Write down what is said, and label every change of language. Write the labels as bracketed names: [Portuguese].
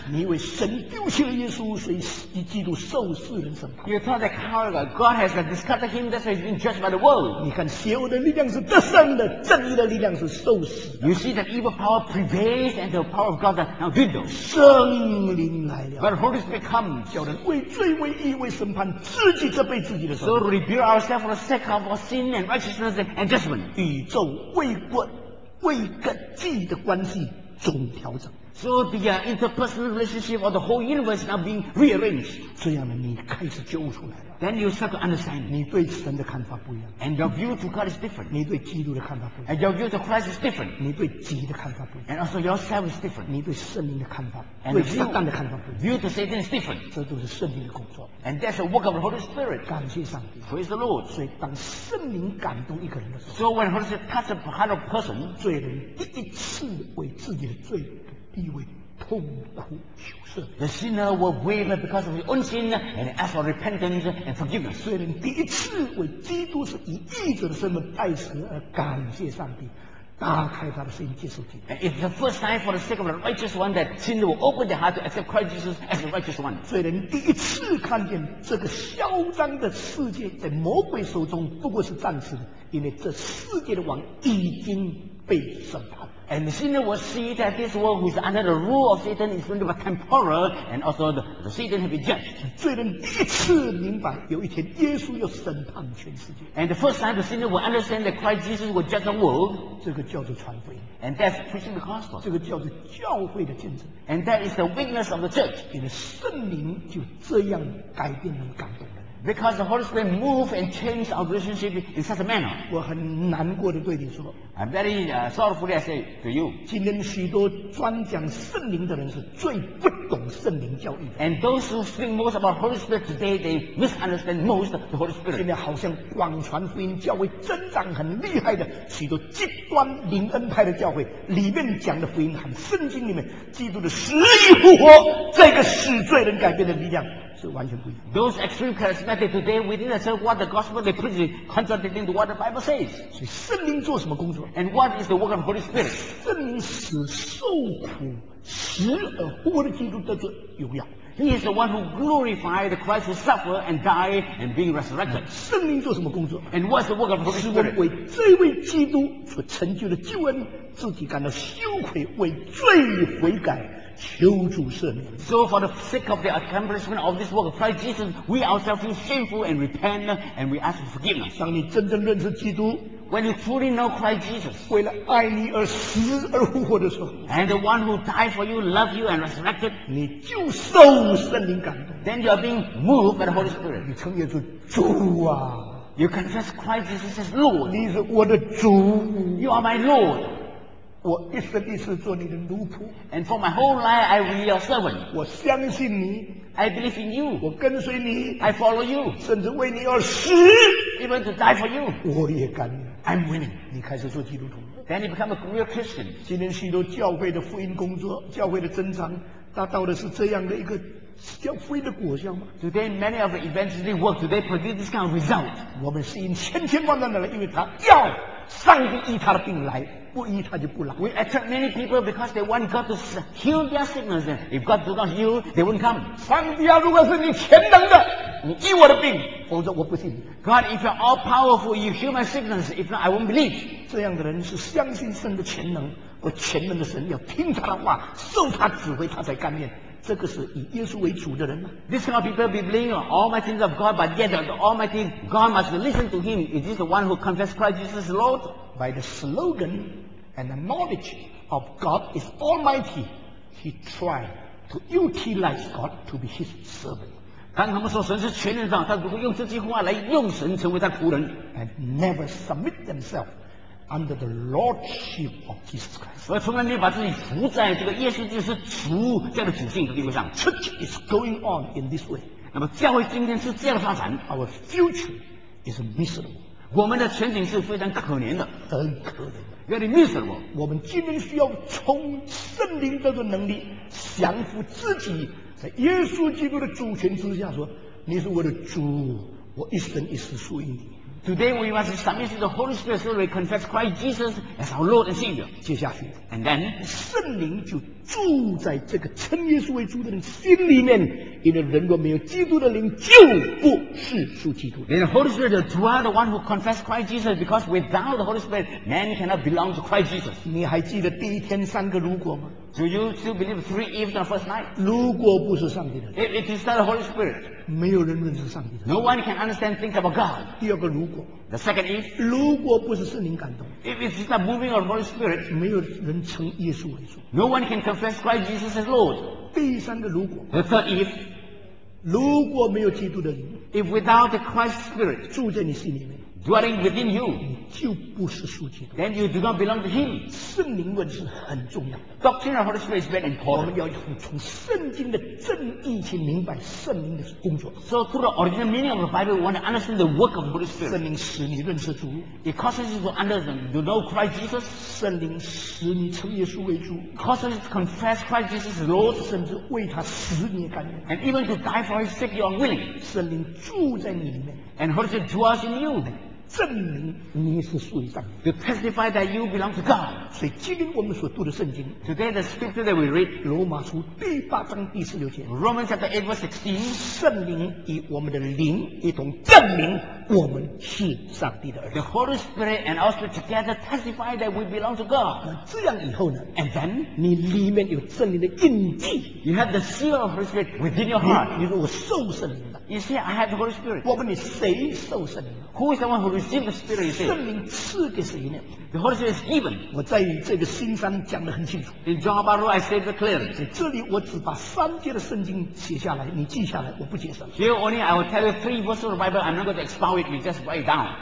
[Chinese] 你以为神丢弃了耶稣所以基督受世人审判 [English] you thought that God has discarded him that's why he's been judged by the world [Chinese] 你看邪恶的力量是得胜的正义的力量是受死的。 [English] You see that evil power prevails and the power of God now dwindles. [Chinese] 圣灵来了。 [English] But Holy Spirit comes, [Chinese] 叫人为罪、为义、为审判自己这辈自己的罪。 [English] So rebuild ourselves for the sake of our sin and righteousness and judgment. [Chinese] 宇宙为国、为个己的关系总调整。 [English] So the interpersonal relationship of the whole universe now being rearranged. [Chinese] 这样呢，你开始揪出来。 [English] Then you start to understand. [Chinese] 你对神的看法不一样。 [English] And your view to God is different. [Chinese] 你对基督的看法不一样。 [English] And your view to Christ is different. [Chinese] 你对己的看法不一样。 [English] And also yourself is different. [Chinese] 你对圣灵的看法，对撒旦的看法不一样。 [English] View to Satan is different. [Chinese] 这都是圣灵的工作。 [English] And that's the work of the Holy Spirit. [Chinese] 感谢上帝。 [English] Praise the Lord. [Chinese] 所以当圣灵感动一个人的时候 [English] ，So when Holy Spirit touches a heart of person, [Chinese] 罪人第一次为自己的罪的地位。痛苦羞涩 [English] The sinner will waver because of his own sin and ask for repentance and forgiveness. [Chinese] 罪人第一次为基督是以义者的身份代死而感谢上帝，打开他的心接受基督。 [English] It's the first time for the sake of the righteous one that sin will open their heart to accept Christ Jesus as the righteous one. [Chinese] 罪人第一次看见这个嚣张的世界在魔鬼手中不过是暂时的，因为这世界的王已经被审判。 [English] And the sinner will see that this world who is under the rule of Satan is going to be temporal and also the Satan will be judged. [Chinese] 罪人第一次明白有一天耶稣要审判全世界。 [English] And the first time the sinner will understand that Christ Jesus will judge the world. [Chinese] 这个叫做传福音。 [English] And that's preaching the gospel. [Chinese] 这个叫做教会的见证。 [English] And that is the witness of the church. [Chinese] 因为圣灵就这样改变人感动。 [English] Because the Holy Spirit moved and changed our relationship in such a manner. [Chinese] 我很难过地对你说。 [English] I'm very sorrowfully I say to you. [Chinese] 今天许多专讲圣灵的人是最不懂圣灵教义的。 [English] And those who think most about Holy Spirit today, they misunderstand most the Holy Spirit. [Chinese] 现在好像广传福音教会增长很厉害的许多极端灵恩派的教会，里面讲的福音和圣经里面基督的死里复活，这个使罪人改变的力量。是完全不一样。 [English] Those extreme charismatic today within the church, what the gospel they preach is contradicting to what the Bible says. [Chinese] 所以圣灵做什么工作 [English] ？And what is the work of the Holy Spirit? [Chinese] 圣灵使受苦、死而复活的基督得着荣耀。 [English] He is the one who glorified the Christ who suffered and died and being resurrected. [Chinese] 圣灵做什么工作 [English] ？And what is the work of the Holy Spirit? [Chinese] 为这位基督所成就的救恩，自己感到羞愧，为罪悔改。求主赦免。 [English] So for the sake of the accomplishment of this work of Christ Jesus, we ourselves feel shameful and repent and we ask for forgiveness. [Chinese] 当你真正认识基督。 [English] When you fully know Christ Jesus, [Chinese] 为了爱你而死而复活的时候， [English] and the one who died for you, loved you and resurrected, [Chinese] 你就受圣灵感动。 [English] Then you are being moved by the Holy Spirit. [Chinese] 你称耶稣主啊。 [English] You confess Christ Jesus as Lord. [Chinese] 你是我的主。 [English] You are my Lord. [Chinese] 我一生一世做你的奴仆。 [English] And for my whole life, I will be your servant. [Chinese] 我相信你。 [English] I believe in you. [Chinese] 我跟随你。 [English] I follow you. [Chinese] 甚至为你而死。 [English] Even to die for you. [Chinese] 我也甘愿。 [English] I'm willing. [Chinese] 你开始做基督徒。 [English] Then you become a real Christian. [Chinese] 今天许多教会的福音工作，教会的增长，达到的是这样的一个叫福音的果效吗？ [English] Today many of the evangelistic work today produce this kind of result. [Chinese] 我们吸引千千万万的人，因为他要上帝医他的病来，不医他就不来。 [English] We attract many people because they want God to heal their sickness. If God do not heal, they won't come. [Chinese] 上帝啊，如果是你全能的，你医我的病，否则我不信。 [English] God, if you're all powerful, you heal my sickness. If not, I won't believe. [Chinese] 这样的人是相信神的全能，而全能的神要听他的话，受他指挥，他才甘愿。这个是以耶稣为主的人吗？ [English] This kind of people be believing on all my things of God, but yet the Almighty God must listen to him. Is this the one who confess Christ Jesus Lord? By the slogan and the knowledge of God is Almighty, he tried to utilize God to be his servant. [Chinese] 当他们说神是全能的，他如何用这句话来用神成为他仆人？ [English] And never submit themselves under the lordship of Jesus Christ. [Chinese] 而从来没有把自己服在这个耶稣就是主这样的主性的地位上。 [English] Church is going on in this way. [Chinese] 那么教会今天是这样发展。 [English] Our future is miserable. [Chinese] 我们的前景是非常可怜的，很可怜的。 [English] Very miserable. [Chinese] 我们今天需要从圣灵这个能力降服自己，在耶稣基督的主权之下说，你是我的主，我一生一世属于你。 [English] Today we must submit to the Holy Spirit so we confess Christ Jesus as our Lord and Savior. [Chinese] 接下去 [English] And then [Chinese] 圣灵就住在这个称耶稣为主的人心里面，因为人若没有基督的灵就不是属基督。 [English] And the Holy Spirit is the one who confess Christ Jesus, because without the Holy Spirit man cannot belong to Christ Jesus. [Chinese] 你还记得第一天三个如果吗？ [English] Do you still believe three eves on the first night? [Chinese] 如果不是上帝的 [English] 灵， if it is not the Holy Spirit, [Chinese] 没有人认识上帝的。 [English] No one can understand think about God. [Chinese] 第二个如果， [English] the second if, [Chinese] 如果不是圣灵感动， [English] if it is not moving of the Holy Spirit, [Chinese] 没有人称耶稣为主。 [English] No one can confess Christ Jesus as Lord. [Chinese] 第三个如果， [English] the third if, [Chinese] 如果没有基督的灵， [English] if without the Christ Spirit, [Chinese] 住在你心里面， [English] dwelling within you, [Chinese] 你就不是属基督。 [English] Then you do not belong to him. [Chinese] 圣灵论是很重要的。 [English] Doctrine of the Holy Spirit is very important. [Chinese] 我们要从圣经的正义去明白圣灵的工作。 [English] So through the original meaning of the Bible, we want to understand the work of the Holy Spirit. [Chinese] 圣灵使你认识主。 [English] It causes you to understand, you know Christ Jesus. [Chinese] 圣灵使你称耶稣为主。 [English] Causes you to confess Christ Jesus as Lord. [Chinese] 甚至为他死你也甘愿。 [English] And even to die for his sake, you are willing. [Chinese] 圣灵住在你里面。 [English] And Holy Spirit dwells in you. [Chinese] 证明你是属于上帝。 [English] To testify that you belong to God. [Chinese] 所以今天我们所读的圣经。 [English] Today the scripture that we read. [Chinese] 罗马书第八章第十六节。 [English] Romans chapter 8 verse 16. [Chinese] 圣灵与我们的灵一同证明我们是上帝的儿子。 [English] The Holy Spirit and also together testify that we belong to God. [Chinese] 那这样以后呢？ [English] And then [Chinese] 你里面有圣灵的印记。 [English] You have the seal of the Holy Spirit within your heart. [Chinese] 你说我受圣灵了。 [English] You say I have the Holy Spirit. [Chinese] 我问你谁受圣灵？ [English] Who is the one who received the Spirit? [Chinese] 圣灵赐给谁呢？ [English] The Holy Spirit is given. [Chinese] 我在这个新章讲得很清楚。 [English] In John 8, I say it clearly. [Chinese] 在这里我只把三节的圣经写下来，你记下来，我不解释。 [English] Here only I will tell you three verses of the Bible. I'm not going to expound it. You just write it down.